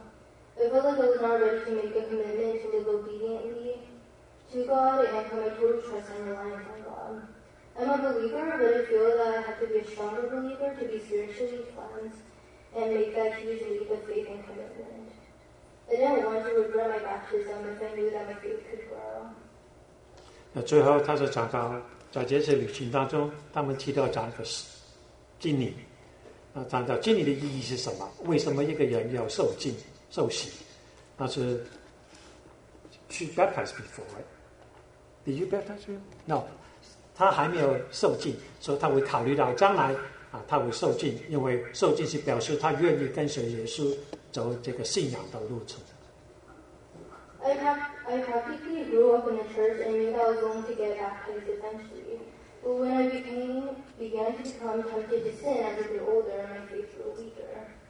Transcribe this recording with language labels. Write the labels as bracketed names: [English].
[English] I felt like I was not ready to make a commitment to live obediently to God and put my total trust and reliance on God. I'm a believer, but I feel that I have to be a stronger believer to be spiritually cleansed and make that huge leap of faith and commitment. I didn't want to regret my baptism if I knew that my faith could grow. [Chinese] 那最后他是讲到，在这次旅行当中，他们提到讲一个敬礼。那讲到敬礼的意义是什么？为什么一个人要受敬受洗？那是 [English] should baptize before, right? Did you baptize him? No. [Chinese] 他还没有受浸，所以他会考虑到将来啊，他会受浸，因为受浸是表示他愿意跟随耶稣走这个信仰的路程。 [English] I practically grew up in the church and knew that I was going to get baptized eventually. But when I began to become tempted to sin as I grew older, my faith grew weaker.